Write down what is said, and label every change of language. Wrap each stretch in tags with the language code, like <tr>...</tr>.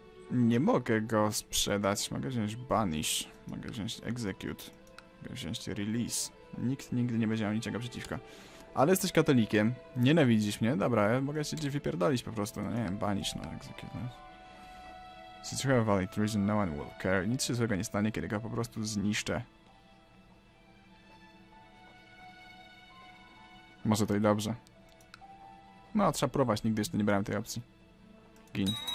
<pl>Nie mogę go sprzedać. Mogę wziąć banish. Mogę wziąć execute. Mogę wziąć release. Nikt nigdy nie będzie miał niczego przeciwko. Ale jesteś katolikiem. Nienawidzisz mnie? Dobra, ja mogę się gdzieś wypierdolić po prostu. No nie wiem, banish, no execute. No.</pl> <en>Since you have a valid reason, no one will care.</en> <pl>Nic się złego nie stanie, kiedy go po prostu zniszczę. Może to i dobrze. No, trzeba próbować. Nigdy jeszcze nie brałem tej opcji. Gin.</pl>